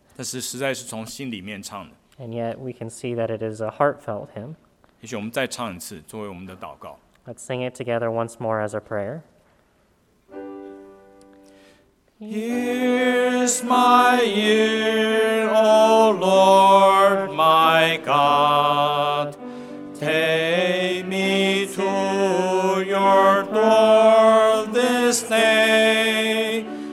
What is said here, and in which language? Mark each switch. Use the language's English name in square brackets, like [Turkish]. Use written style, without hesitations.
[Chinese] 但是实在是从心里面唱的。 [English] And yet we can see that it is a heartfelt hymn. [Chinese] 也许我们再唱一次，作为我们的祷告。 [English] Let's sing it together once more as a prayer. Here's my ear, O Lord, my God. Take me to your door this day.